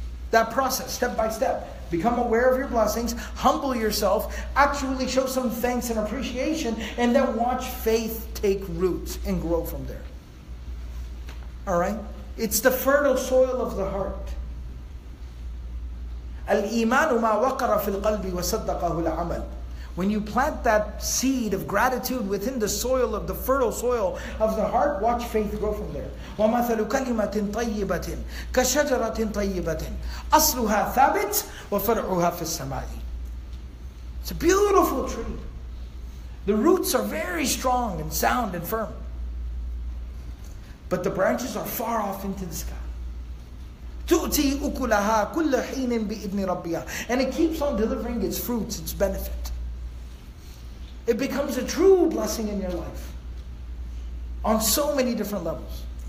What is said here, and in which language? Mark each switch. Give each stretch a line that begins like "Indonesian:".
English: That process, step by step. Become aware of your blessings, humble yourself, actually show some thanks and appreciation, and then watch faith take root and grow from there. Alright? It's the fertile soil of the heart.
Arabic: الإيمان ما وقر في القلب وصدقه العمل
English: When you plant that seed of gratitude within the soil of the fertile soil of the heart, watch faith grow from there.
Arabic: وَمَثَلُ كَلِمَةٍ طَيِّبَةٍ كَشَجَرَةٍ طَيِّبَةٍ أَصْلُهَا ثَابِتٍ وَفَرْعُهَا فِي السَّمَاءِ
English: It's a beautiful tree. The roots are very strong and sound and firm. But the branches are far off into the sky.
Arabic: تُؤْتِي أُكُلَهَا كُلَّ حِينٍ بِإِذْنِ رَبِّيَا
English: And it keeps on delivering its fruits, its benefit. It becomes a true blessing in your life on so many different levels.